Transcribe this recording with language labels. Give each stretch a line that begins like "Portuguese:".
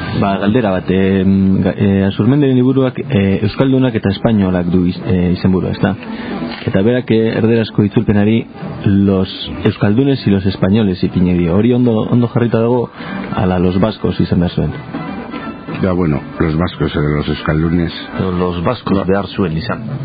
Basque: Ba, galdera bat, Azurmendiren liburuak euskaldunak eta espainolak du izenburua, ezta. Eta berak erderazko itzulpenari
Spanish: los euskaldunes y los españoles
Basque: ipini dio. Hori ondo jarrita dago ala
Spanish: los vascos
Basque: izan behar zuen.
Spanish: Ya bueno, los vascos de los euskaldunes. Los vascos
Basque: behar zuen izan.